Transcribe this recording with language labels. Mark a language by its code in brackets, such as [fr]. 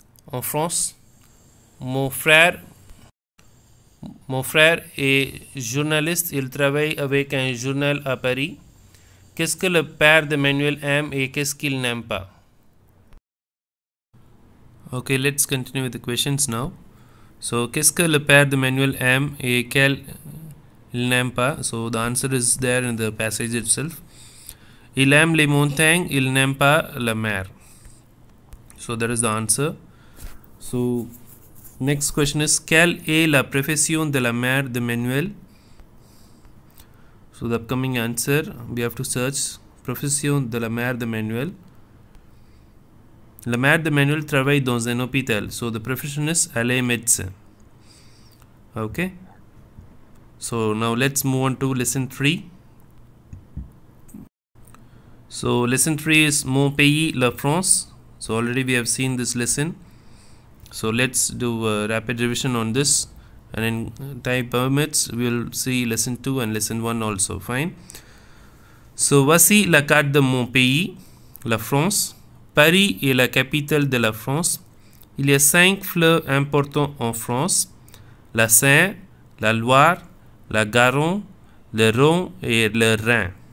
[fr] En France, mon frère est journaliste, il travaille avec un journal à Paris. Qu'est-ce que le père de Manuel aime et qu'est-ce qu'il n'aime pas? [en] Ok, let's continue with the questions now. So, [fr] qu'est-ce que le père de Manuel aime et qu'il n'aime pas? [en] So, the answer is there in the passage itself. [fr] Il aime les montagnes, il n'aime pas la mer. [en] So, that is the answer. So, next question is, [fr] quelle est la profession de la mère de Manuel? [en] So, the upcoming answer, we have to search [fr] profession de la mère de Manuel. La mère de Manuel travaille dans un hôpital. [en] So, the profession is, [fr] elle est médecin. [en] Okay. So, now let's move on to lesson 3. So, lesson 3 is, [fr] mon pays, la France. [en] So, already we have seen this lesson. So let's do a rapid revision on this, and in time permits we will see lesson 2 and lesson 1 also. Fine. [fr] So voici la carte de mon pays, la France. Paris est la capitale de la France. Il y a 5 fleuves importants en France: la Seine, la Loire, la Garonne, le Rhône et le Rhin.